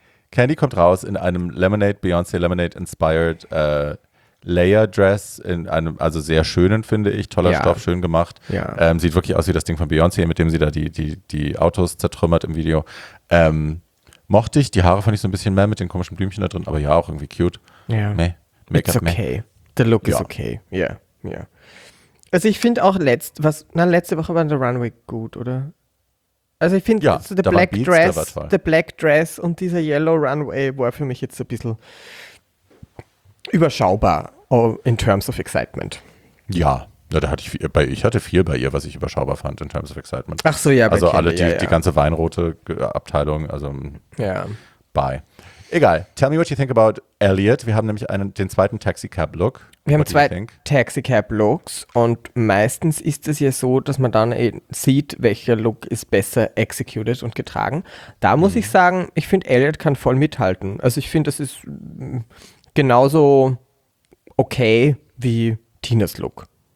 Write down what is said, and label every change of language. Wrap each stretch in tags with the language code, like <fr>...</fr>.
<de>Candy kommt raus in einem Lemonade, Beyoncé Lemonade-inspired Layer Dress in einem, also sehr schönen, finde ich, toller Stoff, schön gemacht. Ja. Sieht wirklich aus wie das Ding von Beyoncé, mit dem sie da die Autos zertrümmert im Video. Mochte ich, die Haare fand ich so ein bisschen mehr mit den komischen Blümchen da drin, aber ja, auch irgendwie cute.</de> <en>Ja. Meh. Make-up, it's okay. Meh. The look is okay. Yeah.</en> <de>Also ich finde auch letzte Woche war der Runway gut, oder? Also ich finde, der Black Dress und dieser Yellow Runway war für mich jetzt ein bisschen überschaubar</de> <en>in terms of excitement.</en> <de>Ja, da hatte ich hatte viel bei ihr, was ich überschaubar fand</de> <en>in terms of excitement.</en> <de>Ach so, ja. Also die ganze weinrote Abteilung, also ja. Bye.</de> <en>Egal, tell me what you think about Elliot.</en> <de>Wir haben nämlich den zweiten Taxicab-Look. Wir haben zwei Taxicab-Looks und meistens ist es ja so, dass man dann sieht, welcher Look ist besser executed und getragen. Da muss ich sagen, ich finde, Elliot kann voll mithalten. Also ich finde, das ist genauso okay wie Tinas Look.</de>